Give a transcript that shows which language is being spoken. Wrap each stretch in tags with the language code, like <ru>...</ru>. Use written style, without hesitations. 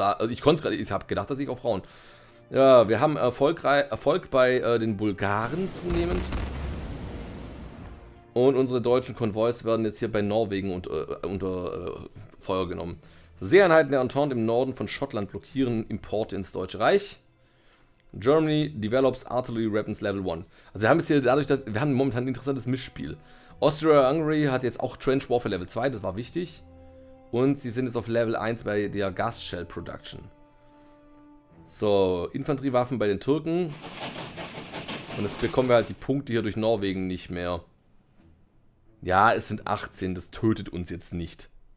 <de>Ich konnte gerade, ich habe gedacht, dass ich auch Frauen. Ja, wir haben Erfolg bei den Bulgaren zunehmend. Und unsere deutschen Konvois werden jetzt hier bei Norwegen unter Feuer genommen. Seeeinheiten der Entente im Norden von Schottland blockieren Importe ins Deutsche Reich.</de> <en>Germany develops Artillery Weapons Level 1.</en> <de>Also wir haben jetzt hier dadurch, dass wir haben momentan ein interessantes Mischspiel. Austria-Hungary hat jetzt auch Trench Warfare Level 2, das war wichtig. Und sie sind jetzt auf Level 1 bei der Gas Shell Production. So, Infanteriewaffen bei den Türken. Und jetzt bekommen wir halt die Punkte hier durch Norwegen nicht mehr. Ja, es sind 18, das tötet uns jetzt nicht.</de>